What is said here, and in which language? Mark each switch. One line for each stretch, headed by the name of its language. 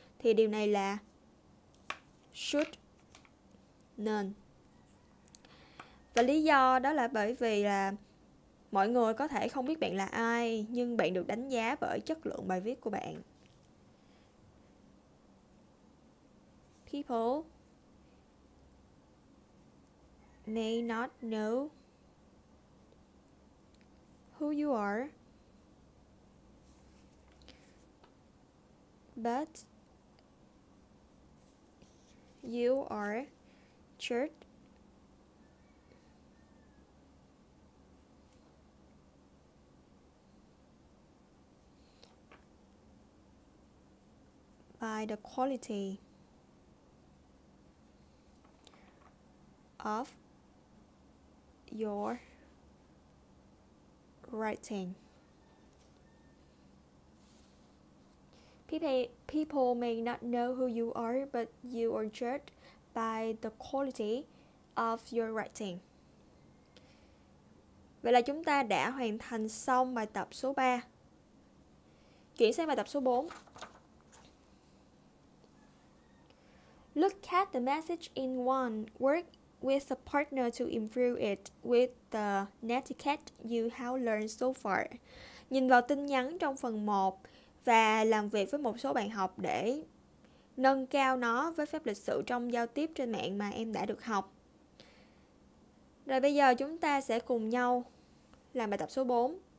Vietnamese: Thì điều này là should, nên. Và lý do đó là bởi vì là mọi người có thể không biết bạn là ai, nhưng bạn được đánh giá bởi chất lượng bài viết của bạn.
English: People may not know who you are, but you are cheered by the quality of your writing. People may not know who you are, but you are judged by the quality of your writing.
Vietnamese: Vậy là chúng ta đã hoàn thành xong bài tập số 3. Chuyển sang bài tập số 4.
English: Look at the message in one. Work with a partner to improve it with the netiquette you have learned so far.
Vietnamese: Nhìn vào tin nhắn trong phần 1 và làm việc với một số bạn học để nâng cao nó với phép lịch sự trong giao tiếp trên mạng mà em đã được học. Rồi bây giờ chúng ta sẽ cùng nhau làm bài tập số 4.